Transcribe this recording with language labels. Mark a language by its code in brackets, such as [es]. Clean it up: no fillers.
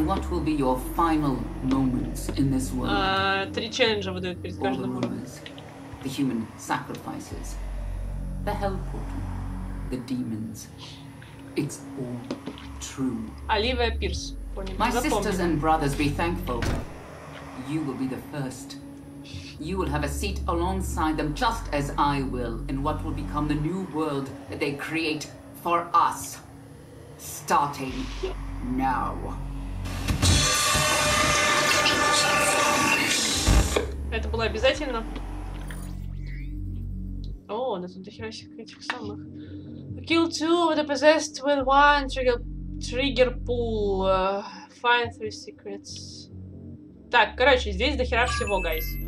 [en] And what will be your final moments in this world? [ru] Три челленджа выдают перед каждым уровнем. [en] The human sacrifices, the hell portal, the demons. It's all true. Оливия Пирс. My sisters and brothers, be thankful. You will be the first. You will have a seat alongside them, just as I will, in what will become the new world that they create for us. Starting now. [ru] было обязательно. О, у нас тут дохера всех этих самых. [en] Kill two of the possessed with one trigger pull. Find three secrets. [ru] Так, короче, здесь дохера всего, guys.